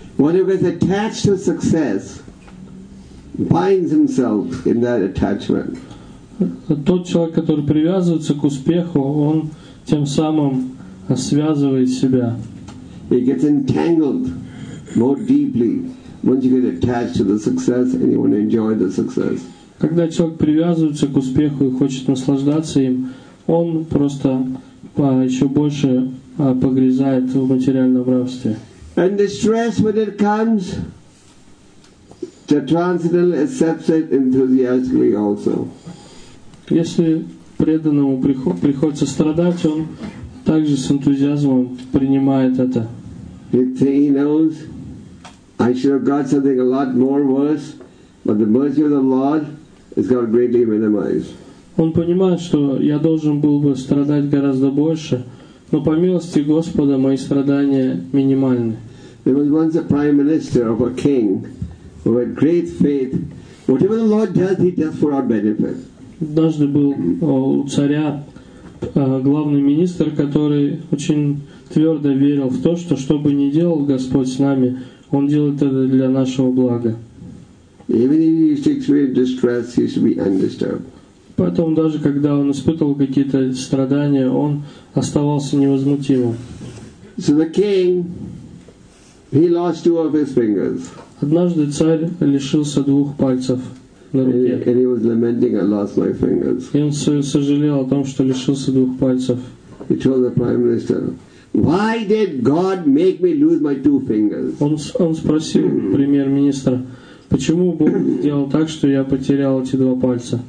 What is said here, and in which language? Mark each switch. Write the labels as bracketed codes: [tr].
[en] One who is attached to success binds himself in that attachment. [ru] Тот человек, который привязывается к успеху, он тем самым связывает себя. [en] He gets entangled more deeply. Once you get attached to the success, and you want to enjoy the success. [ru] Когда человек привязывается к успеху и хочет наслаждаться им, он просто еще больше погрязает в материальном рабстве. [en] And distress, when it comes, the transcendental accepts it enthusiastically also. [ru] Если преданному приходится страдать, он также с энтузиазмом принимает это. [en] He knows, I should have got something a lot more worse, but the mercy of the Lord has got greatly minimized. [ru] Он понимает, что я должен был бы страдать гораздо больше, но по милости Господа мои страдания минимальны. [en] There was once a prime minister of a king who had great faith. Whatever the Lord does, he does for our benefit. [ru] Однажды был у царя главный министр, который очень твердо верил в то, что что бы ни делал Господь с нами, Он делает это для нашего блага. [en] Even if he used to experience distress, he used to be undisturbed. [ru] Поэтому даже когда он испытывал какие-то страдания, он оставался невозмутимым. [en] So the king, he lost two of his fingers. [ru] Однажды царь лишился двух пальцев на руке. [en] And he was lamenting, I lost my fingers. [ru] И он сожалел о том, что лишился двух пальцев. [en] He told the prime minister, why did God make me lose my two fingers? [ru] Он спросил премьер-министра, Почему Бог сделал так, что я потерял эти два пальца?